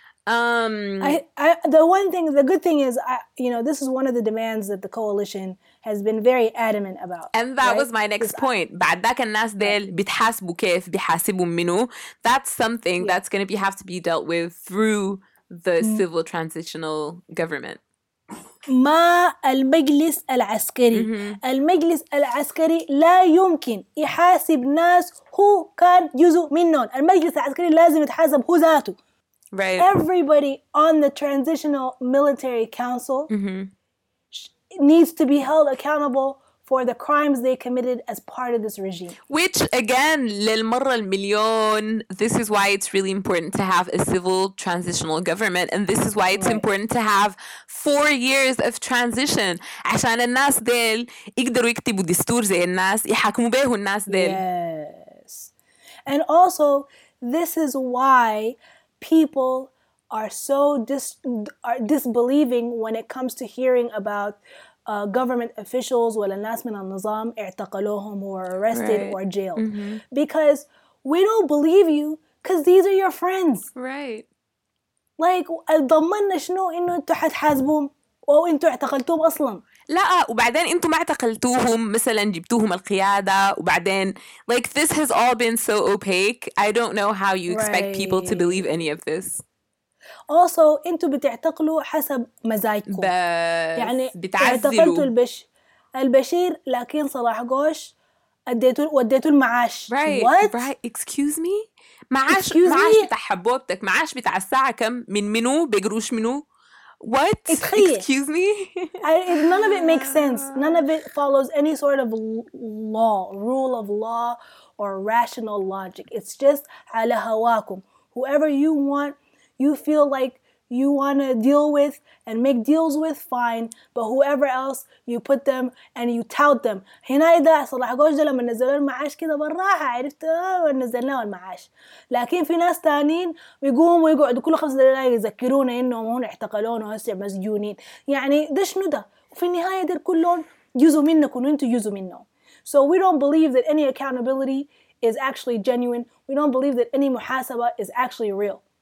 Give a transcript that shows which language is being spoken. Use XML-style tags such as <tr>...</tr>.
<en>The good thing is, you know, this is one of the demands that the coalition has been very adamant about. And that was my next point.</en> <ar>بعد ذاك الناس ديل بتحاسبوا كيف بيحاسبوا منو.</ar> <en>That's something that's going to have to be dealt with through the civil transitional government.</en> <ar>ما المجلس العسكري. المجلس العسكري لا يمكن يحاسب ناس هو كان جزء منهم. المجلس العسكري لازم يتحاسب هو ذاته.</ar> <en>Right. Everybody on the transitional military council needs to be held accountable for the crimes they committed as part of this regime. Which, again,</en> <ar>للمرة المليون,</ar> <en>this is why it's really important to have a civil transitional government, and this is why it's important to have 4 years of transition. عشان الناس ديل يقدروا يكتبوا دستور زي الناس يحكموا به الناس ديل. Yes. And also, this is why people are so disbelieving when it comes to hearing about government officials</en> <ar>ولا الناس من النظام اعتقلوهم</ar> <en>or arrested or jailed. Because we don't believe you because these are your friends. Right. Like,</en> <ar>ضمننا شنو إنه انتو حتحاسبوهم أو انتو اعتقلتوهم أصلا. لا وبعدين انتو ما اعتقلتوهم مثلا جبتوهم القيادة وبعدين</ar> <en>like this has all been so opaque. I don't know how you expect people to believe any of this. Also,</en> <ar>انتو بتعتقلوا حسب مزاجكم. يعني اعتقلتوا البشير لكن صلاح قوش وديتوا المعاش.</ar> <en>Right. What? Right. Excuse me?</en> <ar>معاش بتاع حبوبتك. معاش بتاع الساعة كم من منو بقروش منو.</ar> <en>What? Excuse me? none of it makes sense. None of it follows any sort of law, rule of law, or rational logic. It's just</en> <ar>على هواكم.</ar> <en>Whoever you want, you feel like you want to deal with and make deals with, fine. But whoever else, you put them and you tout them.</en> <ar>هنا إذا صلاح قوش ده لما نزلوا المعاش كده بالراحة عرفت ونزلنا المعاش. لكن في ناس تانين بيقوموا ويقعدوا كل 5 دقائق يذكرونا إنهم هون اعتقلون وهسه مسجونين. يعني ده شنو ده؟ في النهاية دير كلهم جزء منكم وإنتوا جزء منهم.</ar> <en>So we don't believe that any accountability is actually genuine. We don't believe that any محاسبة is actually real.</en>